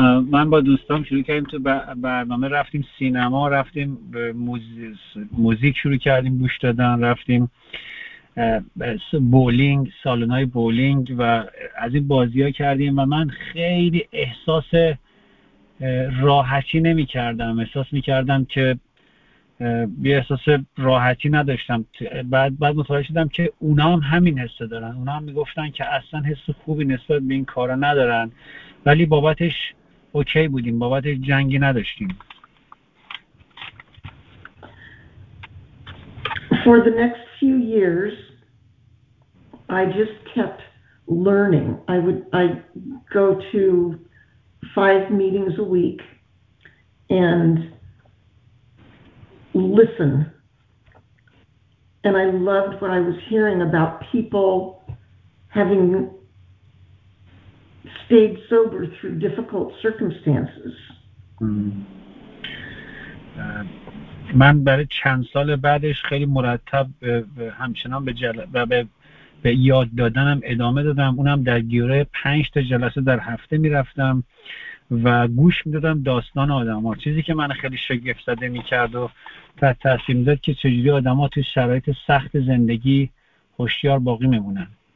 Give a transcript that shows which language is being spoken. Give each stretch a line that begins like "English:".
Persian: من با دوستام شروع کردیم تو برنامه، رفتیم سینما، رفتیم به موزیک شروع کردیم گوش دادن، رفتیم بولینگ، سالن‌های بولینگ و از این بازی‌ها کردیم و من خیلی احساس راحتی نمی‌کردم، احساس می‌کردم که یه احساس راحتی نداشتم. بعد متوجه شدم که اونا هم همین حس دارن، اونا هم می‌گفتن که اصلا حس خوبی نسبت به این کارا ندارن، ولی بابتش اوکی بودیم، بابتش جنگی نداشتیم.
English: For the next few years, I just kept learning. I go to 5 meetings a week and listen. And I loved what I was hearing about people having stayed sober through difficult circumstances.
Persian: من برای چند سال بعدش خیلی مرتب همچنان به یاد دادنم ادامه دادم، اونم در گیره 5 جلسه در هفته می رفتم و گوش می دادم داستان آدم ها. چیزی که من خیلی شگفت زده می کرد و تحت تأثیر می داد که چجوری آدم ها توی شرایط سخت زندگی هوشیار باقی می مونن.